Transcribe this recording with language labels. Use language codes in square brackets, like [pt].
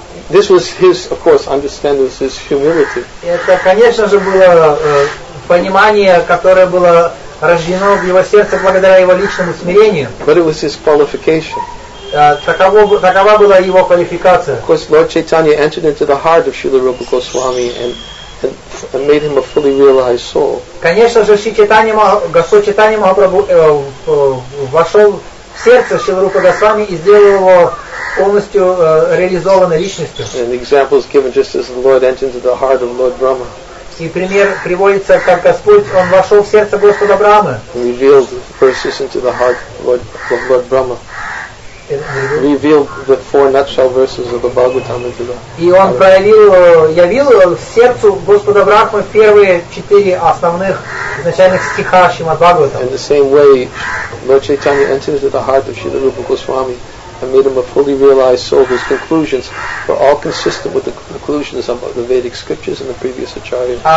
[en] This was his, of course, understanding of his humility. [ru] Это, конечно же, было понимание, которое было рождено в его сердце благодаря его личному смирению. [en] But it was his qualification. [ru] Такова была его квалификация. [en] Of course, Lord Chaitanya entered into the heart of Srila Rupa Goswami and made him a fully realized soul. [ru] Конечно же, Господь Чайтанья Махапрабху вошел в сердце Шрилы Рупы Госвами и сделал его полностью реализованной личностью. [en] And the example is given just as the Lord entered into the heart of Lord Brahma. [ru] И пример приводится, как Господь, Он вошел в сердце Господа Брахмы. [en] Revealed verses into the heart of Lord Brahma. Revealed the four nutshell verses of the Bhagavatam into the heart. [ru] И Он проявил, явил в сердце Господа Брахмы первые четыре основных изначальных стиха Шримад Бхагаватам. [en] In the same way, Lord Chaitanya entered into the heart of Srila Rupa Goswami and made him a fully realized soul whose conclusions were all consistent with the conclusions of the Vedic scriptures and the previous acharyas.